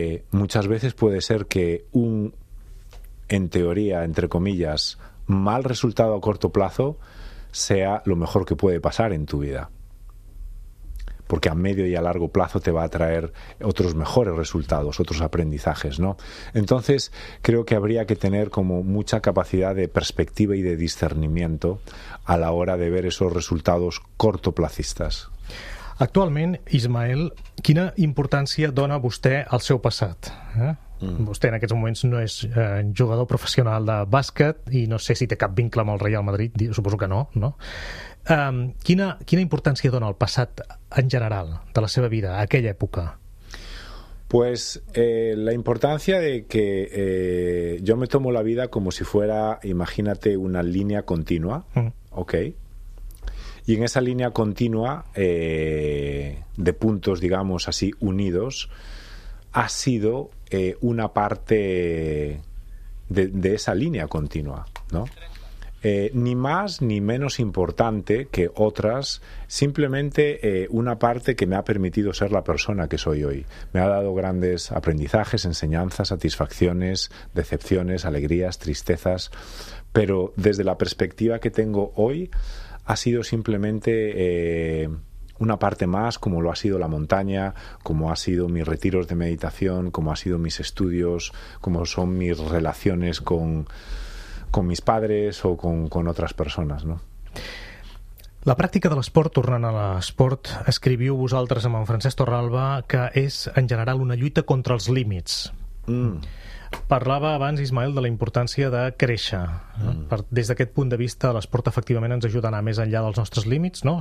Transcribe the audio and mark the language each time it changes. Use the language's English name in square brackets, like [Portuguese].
[Spanish] Muchas veces puede ser que un, en teoría, entre comillas, mal resultado a corto plazo sea lo mejor que puede pasar en tu vida, porque a medio y a largo plazo te va a traer otros mejores resultados, otros aprendizajes, ¿no? Entonces, creo que habría que tener como mucha capacidad de perspectiva y de discernimiento a la hora de ver esos resultados cortoplacistas. [Catalan] Actualment, Ismael, quina importància dona vostè al seu passat? Vostè en aquests moments no és jugador professional de bàsquet i no sé si té cap vincle amb el Real Madrid, suposo que no, no? ¿Quina importancia dona el passat en general de la seva vida, aquella època? [Spanish] Pues la importancia de que yo me tomo la vida como si fuera, imagínate, una línea continua, ¿ok? Y en esa línea continua de puntos, digamos así, unidos, ha sido una parte de esa línea continua, ¿no? Ni más ni menos importante que otras, simplemente una parte que me ha permitido ser la persona que soy hoy. Me ha dado grandes aprendizajes, enseñanzas, satisfacciones, decepciones, alegrías, tristezas, pero desde la perspectiva que tengo hoy ha sido simplemente una parte más, como lo ha sido la montaña, como ha sido mis retiros de meditación, como ha sido mis estudios, como son mis relaciones con mis padres o con otras personas, ¿no? [Catalan] La pràctica de l'esport, tornant a l'esport, escriviu vosaltres amb en Francesc Torralba que és, en general, una lluita contra els límits. Parlava abans, Ismael, de la importància de créixer. Des d'aquest punt de vista, l'esport efectivament ens ajuda a anar més enllà dels nostres límits, no?